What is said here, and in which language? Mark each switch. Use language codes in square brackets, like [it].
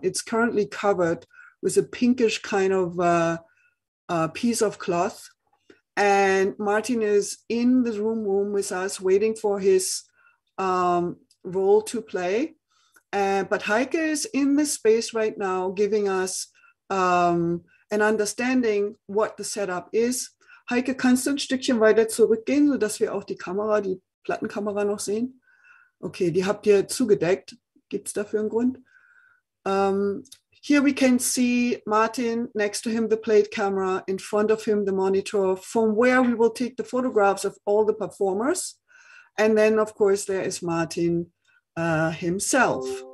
[en] It's currently covered with a pinkish kind of piece of cloth. And Martin is in the room with us waiting for his role to play. But Heike is in this space right now, giving us an understanding what the setup is. [de] Heike, kannst du ein Stückchen weiter zurückgehen, sodass wir auch die Kamera, die Plattenkamera noch sehen? Okay, die habt ihr zugedeckt. Gibt's dafür einen Grund? [en] Here we can see Martin, next to him, the plate camera, in front of him, the monitor, from where we will take the photographs of all the performers. And then, of course, there is Martin himself.